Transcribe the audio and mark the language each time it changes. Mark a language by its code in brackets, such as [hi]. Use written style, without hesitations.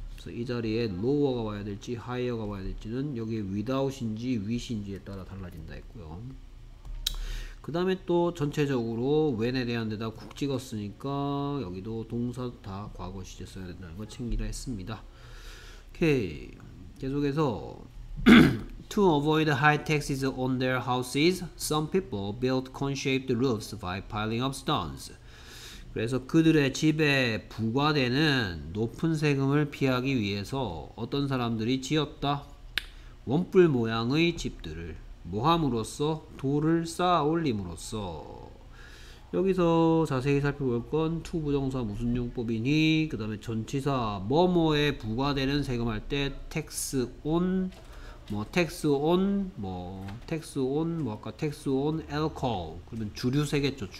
[ko] 이 자리에 lower가 와야 될지 higher가 와야 될지는 여기에 without인지 with인지에 따라 달라진다 했고요. 그 다음에 또 전체적으로 when에 대한 데다 쿡 찍었으니까 여기도 동사 다 과거 시제 써야 된다는 거 챙기라 했습니다. 오케이. [en] 계속해서 To avoid high taxes on their houses, some people built cone-shaped roofs by piling up stones. [ko] 그래서 그들의 집에 부과되는 높은 세금을 피하기 위해서 어떤 사람들이 지었다. 원뿔 모양의 집들을 모함으로써 돌을 쌓아 올림으로써 여기서 자세히 살펴볼 건 to 부정사 무슨 용법이니 그 다음에 전치사 뭐뭐에 부과되는 세금 할때 tax on 뭐 아까 [en] tax on alcohol [ko] 그러면 주류세겠죠.